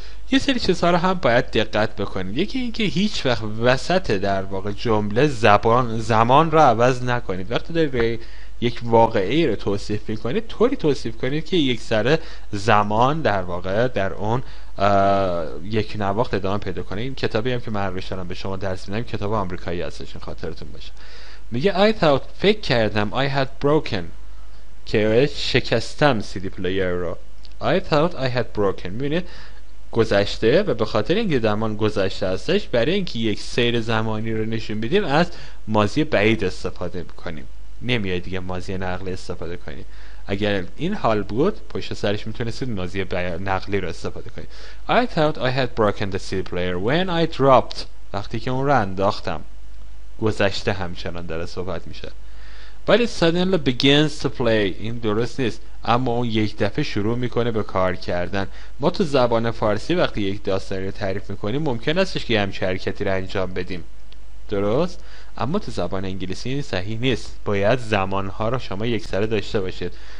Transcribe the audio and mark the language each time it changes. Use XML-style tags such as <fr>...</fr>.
<fa>یه سری چیزها رو هم باید دقت بکنید. یکی اینکه هیچ وقت وسط در واقع جمله زمان رو عوض نکنید. وقتی دارید یک واقعه رو توصیف میکنید، طوری توصیف کنید که یک سر زمان در واقع در اون یک نواخت ادامه پیدا کنه. این کتابی هم که من روش دارم به شما درس میدم، کتاب آمریکایی هستش، خاطرتون باشه. میگه</fa> <en>I thought،</en> <fa>فکر کردم،</fa> <en>I had broken،</en> <fa>که شکستم CD player رو.</fa> <en>I thought I had broken،</en> <fa>میبینید گذشته، و به خاطر اینکه زمان گذشته هستش، برای اینکه یک سیر زمانی رو نشون بدیم از ماضی بعید استفاده میکنیم، نمیای دیگه ماضی نقلی استفاده کنیم. اگر این حال بود پشت سرش میتونستید ماضی نقلی رو استفاده کنیم.</fa> <en>I thought I had broken the CD player when I dropped،</en> <fa>وقتی که اون رو انداختم. گذشته همچنان داره صحبت میشه. ولی</fa> <en>suddenly begins to play</en> <fa>این درست نیست، اما اون یک دفعه شروع میکنه به کار کردن. ما تو زبان فارسی وقتی یک داستانی رو تعریف میکنیم ممکن استش که همچه حرکتی رو انجام بدیم، درست؟ اما تو زبان انگلیسی این صحیح نیست، باید زمانها رو شما یک سره داشته باشید.</fa>